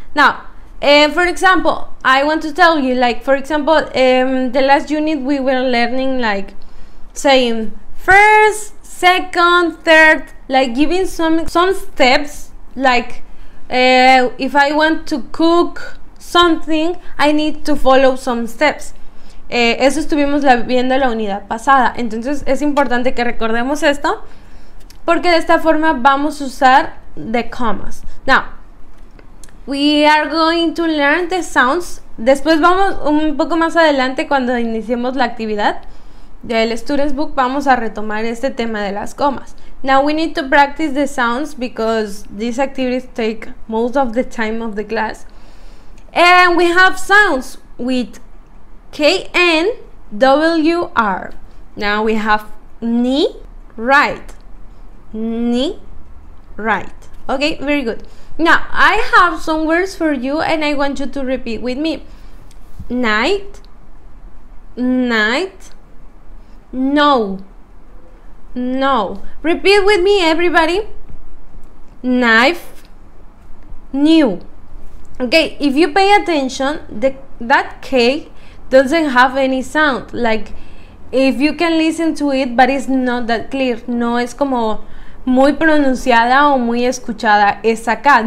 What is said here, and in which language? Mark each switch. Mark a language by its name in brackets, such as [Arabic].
[English] Now, for example, I want to tell you, like, for example, the last unit we were learning, like, saying first, second, third, like giving some steps, like if I want to cook something, I need to follow some steps. [Spanish] Eso estuvimos viendo la unidad pasada. Entonces es importante que recordemos esto, porque de esta forma vamos a usar [English] the commas. Now, we are going to learn the sounds. [Spanish] Después vamos, un poco más adelante, cuando iniciemos la actividad del Students Book, vamos a retomar este tema de las comas. [English] Now we need to practice the sounds, because these activities take most of the time of the class. And we have sounds with K-N-W-R. Now we have ni, right. Ni, right. Okay, very good. Now, I have some words for you and I want you to repeat with me. Night, night, no, no. Repeat with me, everybody. Knife, new. Okay, if you pay attention, that K doesn't have any sound. Like, if you can listen to it, but it's not that clear. [Spanish] No es como muy pronunciada o muy escuchada esa K.